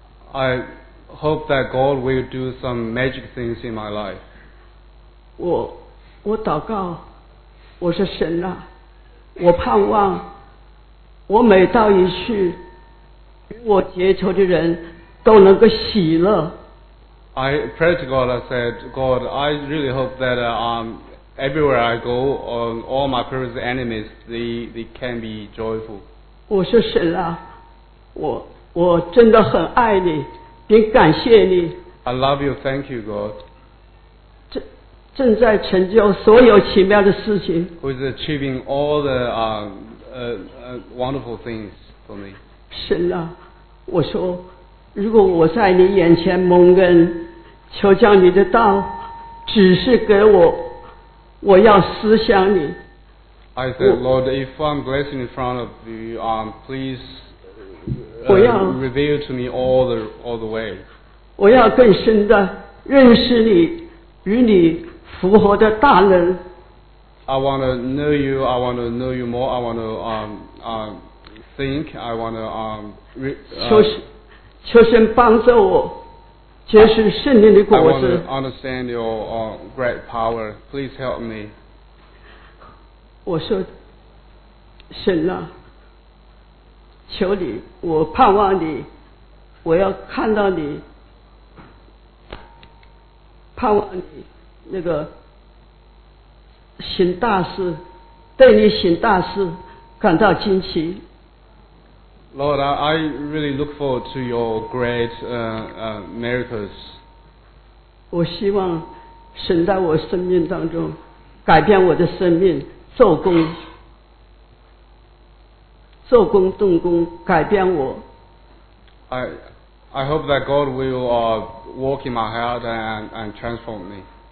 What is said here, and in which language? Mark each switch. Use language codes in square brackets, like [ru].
[en] I hope that God will do some magic things in my life. [zh] 我祷告，我说神啊，我盼望我每到一处与我结仇的人都能够喜乐。 [en] I pray to God, I said, God, I really hope that everywhere I go, on all my previous enemies, they can be joyful. [zh] 我说神啊，我真的很爱你，并感谢你。 [en] I love you, thank you, God. [zh] 正在成就所有奇妙的事情。 [en] Who is achieving all the wonderful things for me? [zh] 神啊，我说，如果我在你眼前蒙恩，求将你的道指示给我。我要思想你。 [en] I said, Lord, if I'm blessed in front of you, please reveal to me all the way. [zh] 我要更深的认识你，与你复活的大能。 [en] I want to know you. I want to know you more. I want to think. I want to [zh] 求神帮助我。结实圣灵的果子。 [en] I want to understand your great power. Please help me. [zh] 我说，神啊，求你，我盼望你，我要看到你，盼望你那个行大事，对你行大事感到惊奇。 [en] Lord, I really look forward to your great miracles. [zh] 我希望神在我生命当中改变我的生命，做工动工改变我。 [en] I hope that God will walk in my heart and transform me.